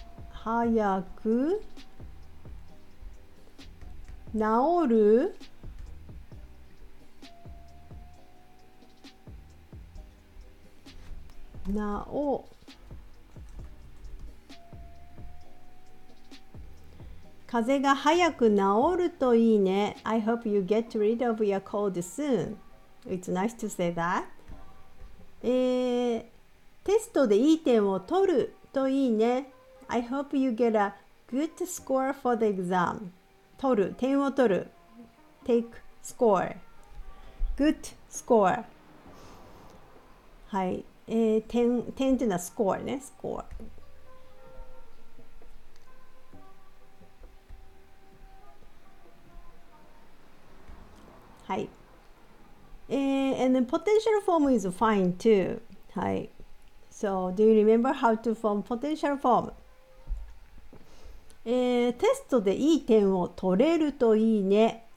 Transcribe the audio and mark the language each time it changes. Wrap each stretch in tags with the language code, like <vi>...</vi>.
<ja>早く治るなおかぜが早く治るといいね。</ja> <en>I hope you get rid of your cold soon. It's nice to say that.</en> <ja>テストでいい点を取るといいね。</ja> <en>I hope you get a good score for the exam.</en> <ja>取る、点を取る。</ja> <en>Take score. Good score. はい。</en> <ja>点というのは score ね。Score.</ja> <en>はい。And the potential form is fine too. はい。 So, do you remember how to form potential form?</en> <ja>テストでいい点を取れるといいね。</ja>